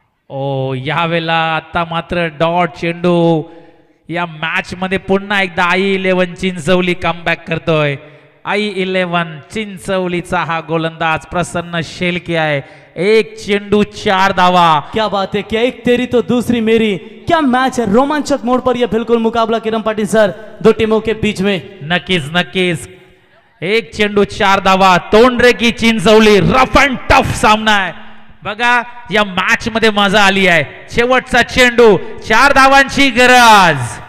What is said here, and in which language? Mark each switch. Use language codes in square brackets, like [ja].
[mr] ओ यावेळेला आता मात्र डॉट चेंडू या मॅच मध्ये पुन्हा एकदा आई 11 चिंचवली कम बॅक करतोय, आई 11 चिंचवलीचा हा गोलंदाज प्रसन्न शेळके आहे। 1 चेंडू 4 धावा, [hi] क्या बात है, क्या एक तेरी तो दूसरी मेरी, क्या मॅच है, रोमांचक मोड पर यह बिल्कुल मुकाबला किरण पाटील सर दो टीमों के बीच में। [mr] नक्कीच नक्कीच, 1 चेंडू 4 धावा, तोंडरे की चिंचवली, रफ एंड टफ सामना है, बघा या मॅच मध्ये मजा आली आहे। शेवटचा चेंडू, 4 धावांची गरज।